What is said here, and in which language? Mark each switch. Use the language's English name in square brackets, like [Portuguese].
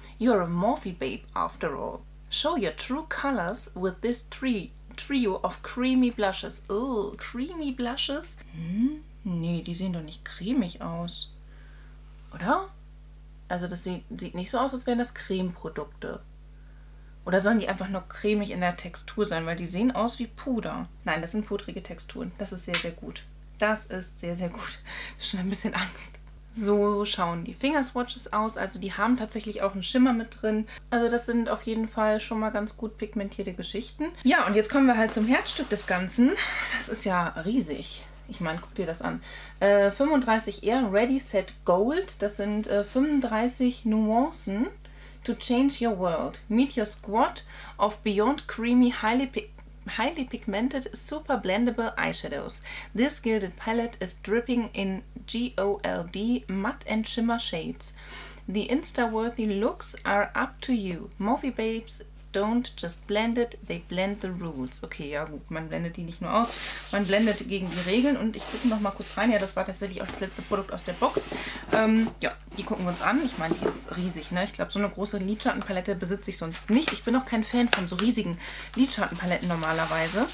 [English] You're a Morphe Babe after all. Show your true colors with this trio of creamy blushes. Oh, creamy blushes? Hm? [German] Nee, die sehen doch nicht cremig aus. Oder? Also das sieht nicht so aus, als wären das Cremeprodukte. Oder sollen die einfach nur cremig in der Textur sein, weil die sehen aus wie Puder. Nein, das sind pudrige Texturen. Das ist sehr, sehr gut. Das ist sehr, sehr gut. Schon ein bisschen Angst. So schauen die Fingerswatches aus. Also die haben tatsächlich auch einen Schimmer mit drin. Also das sind auf jeden Fall schon mal ganz gut pigmentierte Geschichten. Ja, und jetzt kommen wir halt zum Herzstück des Ganzen. Das ist ja riesig. Ich meine, guck dir das an. 35R Ready Set Gold. Das sind 35 Nuancen [English] to change your world. Meet your squad of beyond creamy, highly pigmented, super blendable eyeshadows. This gilded palette is dripping in GOLD matte and shimmer shades. The insta-worthy looks are up to you. Morphe Babes don't just blend it, they blend the rules. [German] Okay, ja gut, man blendet die nicht nur aus, man blendet gegen die Regeln. Und ich gucke noch mal kurz rein. Ja, das war tatsächlich auch das letzte Produkt aus der Box. Ja, die gucken wir uns an. Ich meine, die ist riesig, ne? Ich glaube, so eine große Lidschattenpalette besitze ich sonst nicht. Ich bin auch kein Fan von so riesigen Lidschattenpaletten normalerweise.